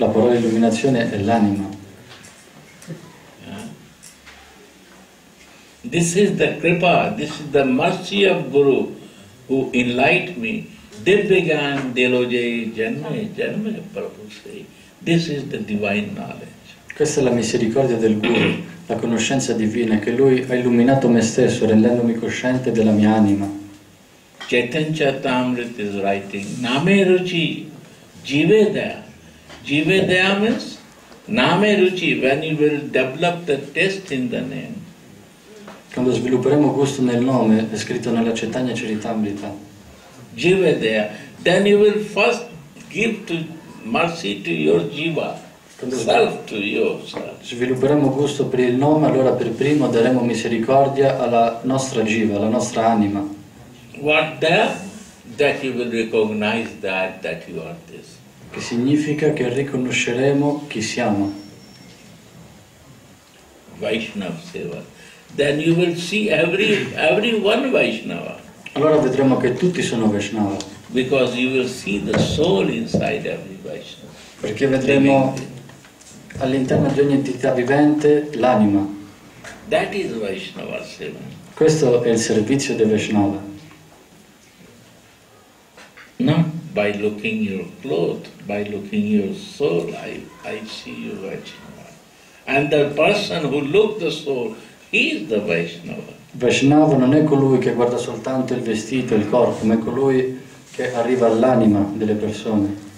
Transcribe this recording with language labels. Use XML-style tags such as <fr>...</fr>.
<it>La parola illuminazione è l'anima.</it> <en>Yeah. This is the kripa, this is the mercy of Guru. Who enlighten me, they began deloje janme, janme Prabhu say. This is the divine knowledge.</en> <it>Questa è la misericordia del Guru, la conoscenza divina, che lui ha illuminato me stesso, rendendomi cosciente della mia anima.</it> <en>Chaitanya Charitamrita is writing, Name Ruchi, Jivedaya. Jivedaya means Name Ruchi, when you will develop the taste in the name.</en> <it>Quando svilupperemo gusto nel nome, è scritto nella Chaitanya Charitamrita.</it> <en>Jivedaya. Then you will first give to mercy to your jiva, self to yourself.</en> <it>Svilupperemo gusto per il nome, allora per primo daremo misericordia alla nostra jiva, alla nostra anima.</it> <en>What that you will recognize that you are this.</en> <it>Che significa che riconosceremo chi siamo.</it> <en>Vaishnava Seva. Then you will see everyone Vaishnava.</en> <it>Allora vedremo che tutti sono Vaishnava.</it> <en>Because you will see the soul inside every Vaishnava.</en> <it>Perché vedremo vivente. All'interno di ogni entità vivente l'anima.</it> <en>That is Vaishnava Seva.</en> <it>Questo è il servizio del Vaishnava.</it> <en>No, by looking your clothes, by looking your soul, I see you Vaishnava. And the person who looks the soul, he is the Vaishnava.</en> <it>Vaishnava non è colui che guarda soltanto il vestito, il corpo, ma è colui che arriva all'anima delle persone.</it>